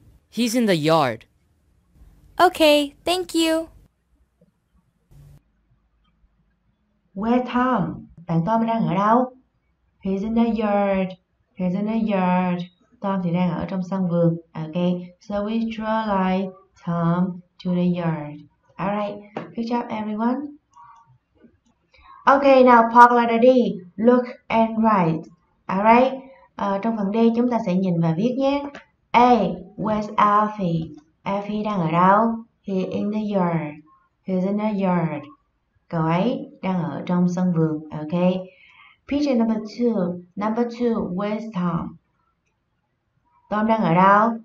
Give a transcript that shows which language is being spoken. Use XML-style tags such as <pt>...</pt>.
<en>He's in the yard. Okay, thank you. Where Tom?</en> <vi>Bạn Tom đang ở đâu?</vi> <en>He's in the yard. He's in the yard.</en> <vi>Tom thì đang ở trong sân vườn.</vi> <en>Okay, so we draw like Tom to the yard. Alright, good job everyone. Okay, now park letter D. Look and write. Alright?</en> <vi>Trong phần D chúng ta sẽ nhìn và viết nhé. A.</vi> <en>Where's Alfie?</en> <vi>Alfie đang ở đâu?</vi> <en>He's in the yard. He's in the yard.</en> <vi>Cậu ấy đang ở trong sân vườn.</vi> <en>Ok. Picture number 2. Number 2. Where's Tom?</en> <vi>Tom đang ở đâu?</vi>